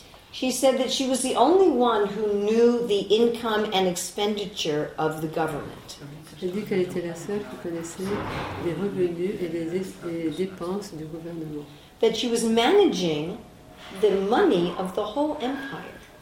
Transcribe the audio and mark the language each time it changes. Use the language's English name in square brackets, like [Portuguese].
[English] She said that she was the only one who knew the income and expenditure of the government. [French] Elle dit qu'elle était la seule qui connaissait les revenus et les dépenses du gouvernement. [English] That she was managing the money of the whole empire.